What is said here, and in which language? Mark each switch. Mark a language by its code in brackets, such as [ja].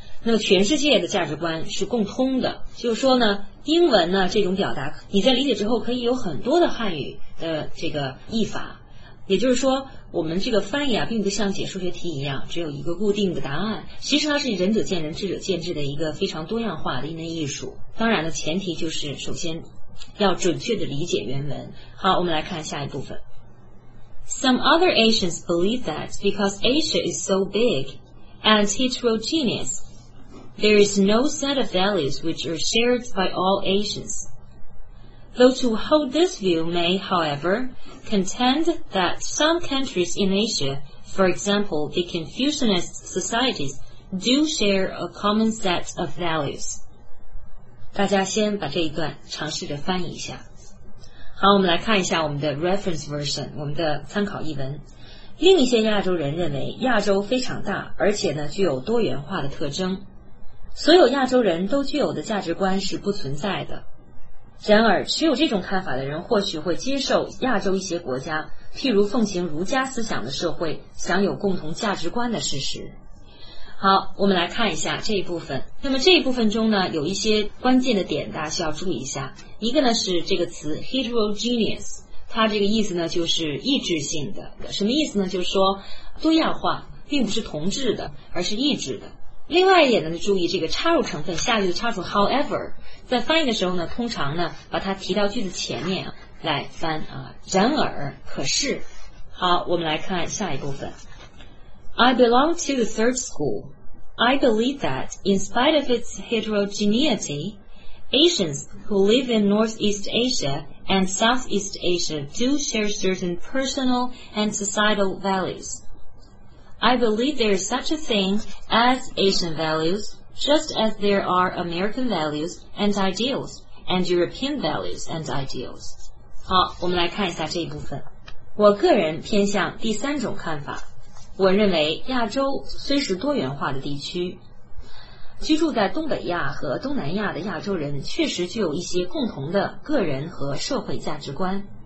[zh] 那么全世界的价值观是共通的。就是说呢，英文呢，这种表达，你在理解之后可以有很多的汉语的这个译法。也就是说我们这个翻译啊并不像解数学题一样只有一个固定的答案，其实它是仁者见仁智者见智的一个非常多样化的一门艺术。当然的前提就是首先要准确的理解原文。好，我们来看下一部分。 [en] Some other Asians believe that because Asia is so big and heterogeneous there is no set of values which are shared by all Asians. Those who hold this view may, howevercontend that some countries in Asia, for example, the Confucianist societies, do share a common set of values. [zh] 大家先把这一段尝试着翻译一下。好，我们来看一下我们的 [en] reference version, [zh] 我们的参考译文。另一些亚洲人认为亚洲非常大，而且呢具有多元化的特征。所有亚洲人都具有的价值观是不存在的。然而持有这种看法的人或许会接受亚洲一些国家譬如奉行儒家思想的社会享有共同价值观的事实。好，我们来看一下这一部分。那么这一部分中呢有一些关键的点大家需要注意一下。一个呢是这个词 heterogeneous, 它这个意思呢就是异质性的。什么意思呢？就是说多样化并不是同质的而是异质的。另外一点呢注意这个插入成分，下一句插入 however,在翻译的时候呢通常呢把它提到句子前面来翻啊。然而可是，好，我们来看下一部分。 [en] I belong to the third school. I believe that in spite of its heterogeneity Asians who live in Northeast Asia and Southeast Asia do share certain personal and societal values. I believe there is such a thing as Asian valuesJust as there are American values and ideals, and European values and ideals. [zh] 好，我们来看一下这一部分。我个人偏向第三种看法。我认为亚洲虽是多元化的地区，居住在东北亚和东南亚的亚洲人确实具有一些共同的个人和社会价值观。